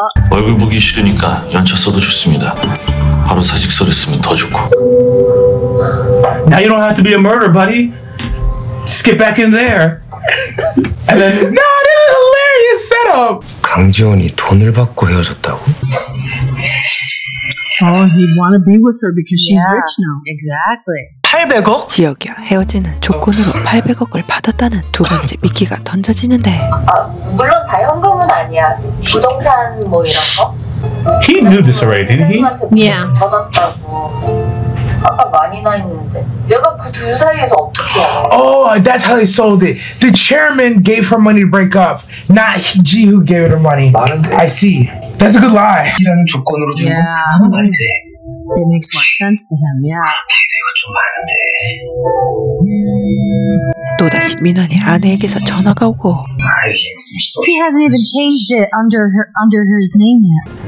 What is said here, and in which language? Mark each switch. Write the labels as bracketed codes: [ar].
[ko] 얼굴 보기 싫으니까 연차 써도 좋습니다. 바로 사직서를 쓰면 더 좋고. [en] Now you don't have to be a murderer, buddy. Just get back in there. And then, no, this is a hilarious setup. [ko] 강지원이 돈을 받고 헤어졌다고? [en] Oh, he'd want to be with her because she's rich now. Exactly. [ko] 800억? 지혁이와 헤어지는 조건으로 800억을 받았다는 두 번째 미끼가 던져지는데. 아, 물론 다 현금은 아니야. 부동산 뭐 이런 거? [en] He knew this already, didn't he? Yeah. [ko] 받았다고. 아까 많이 나 있는데. 내가 그 둘 사이에서 어떻게 알아? [en] Oh, that's how they sold it. The chairman gave her money to break up. Not Ji who gave her money. [ko] 많은데? [en] I see. That's a good lie. [ko] 이라는 조건으로 되는 건 아무 말이 돼. [en] It makes more sense to him, yeah. [ko] 또다시 민원이 아내에게서 전화가 오고. [en] He hasn't even changed it under his name yet.